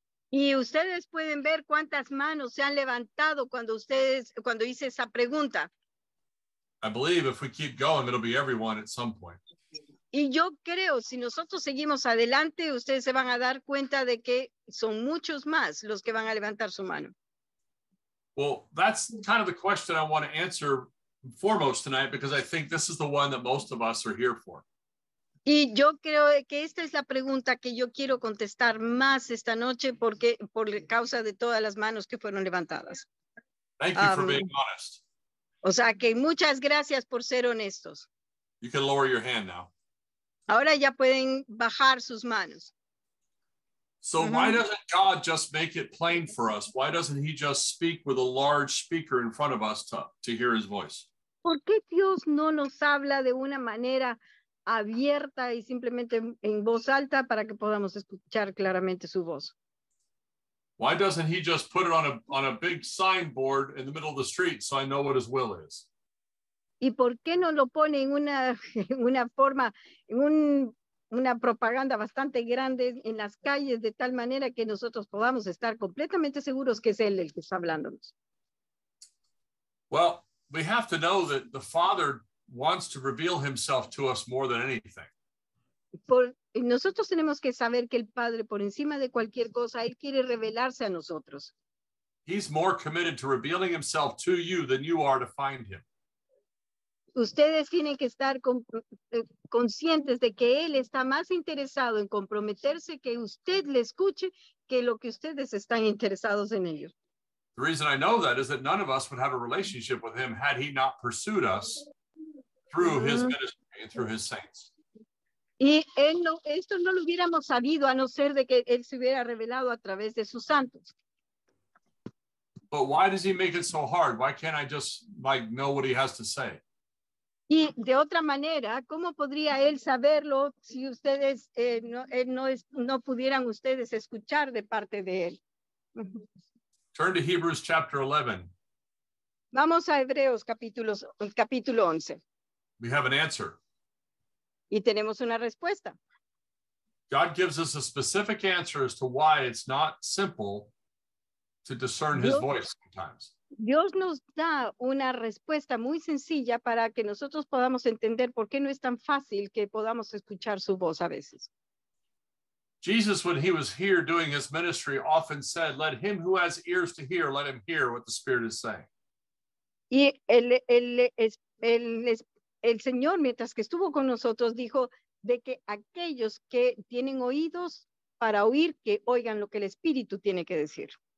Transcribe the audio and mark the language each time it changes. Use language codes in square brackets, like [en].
[es] Y ustedes pueden ver cuántas manos se han levantado cuando hice esa pregunta. [en] I believe if we keep going, it'll be everyone at some point. [es] Y yo creo, si nosotros seguimos adelante, ustedes se van a dar cuenta de que son muchos más los que van a levantar su mano. [en] Well, that's kind of the question I want to answer foremost tonight, because I think this is the one that most of us are here for. [es] Y yo creo que esta es la pregunta que yo quiero contestar más esta noche porque por causa de todas las manos que fueron levantadas. [en] Thank you for being honest. [es] O sea que muchas gracias por ser honestos. [en] You can lower your hand now. [es] Ahora ya pueden bajar sus manos. [en] So why doesn't God just make it plain for us? Why doesn't he just speak with a large speaker in front of us to hear his voice? [es] ¿Por qué Dios no nos habla de una manera abierta y simplemente en voz alta para que podamos escuchar claramente su voz? [en] Why doesn't he just put it on a big signboard in the middle of the street so I know what his will is? [es] ¿Y por qué no lo pone en una forma, en una propaganda bastante grande en las calles de tal manera que nosotros podamos estar completamente seguros que es él el que está hablándonos? [en] Well, we have to know that the Father wants to reveal himself to us more than anything. [es] Nosotros tenemos que saber que el Padre, por encima de cualquier cosa, él quiere revelarse a nosotros. [en] He's more committed to revealing himself to you than you are to find him. [es] Ustedes tienen que estar conscientes de que él está más interesado en comprometerse que usted le escuche que lo que ustedes están interesados en ello. [en] The reason I know that is that none of us would have a relationship with him had he not pursued us through his ministry and through his saints. [es] Y esto no lo hubiéramos sabido a no ser de que él se hubiera revelado a través de sus santos. [en] But why does he make it so hard? Why can't I just like know what he has to say? [es] Y de otra manera, ¿cómo podría él saberlo si ustedes no pudieran ustedes escuchar de parte de él? [en] Turn to Hebrews chapter 11. [es] Vamos a Hebreos capítulo 11. [en] We have an answer. [es] Y tenemos una respuesta. [en] God gives us a specific answer as to why it's not simple to discern his voice sometimes. [es] Dios nos da una respuesta muy sencilla para que nosotros podamos entender por qué no es tan fácil que podamos escuchar su voz a veces. [en] Jesus, when he was here doing his ministry, often said, "Let him who has ears to hear, let him hear what the Spirit is saying." [es] Y el Señor, mientras que estuvo con nosotros, dijo de que aquellos que tienen oídos para oír, que oigan lo que el Espíritu tiene que decir.